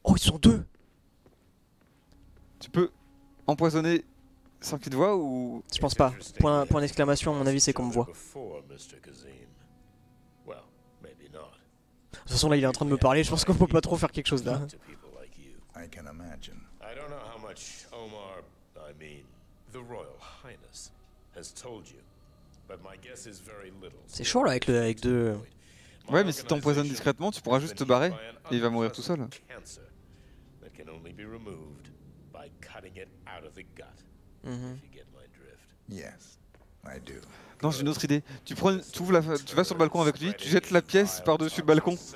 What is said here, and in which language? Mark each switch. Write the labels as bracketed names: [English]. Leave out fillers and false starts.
[French] Oh, ils sont deux! Tu peux empoisonner sans qu'ils te voient ou. Je pense pas. Point d'exclamation, à mon avis, c'est qu'on me voit. De toute façon, là, il est en train de me parler. Je pense qu'on peut pas trop faire quelque chose là. [English] I can imagine. I don't know how much Omar, I mean, the Royal Highness, has told you, but my guess is very little. [French] C'est chaud là avec le avec deux. Ouais, mais si t'empoisonnes discrètement, tu pourras juste te barrer et il va mourir tout seul. [English] Cancer that can only be removed by cutting it out of the gut. If you get my drift. Yes, I do. [French] Non, j'ai une autre idée. Tu vas sur le balcon avec lui, tu jettes la pièce par-dessus le balcon.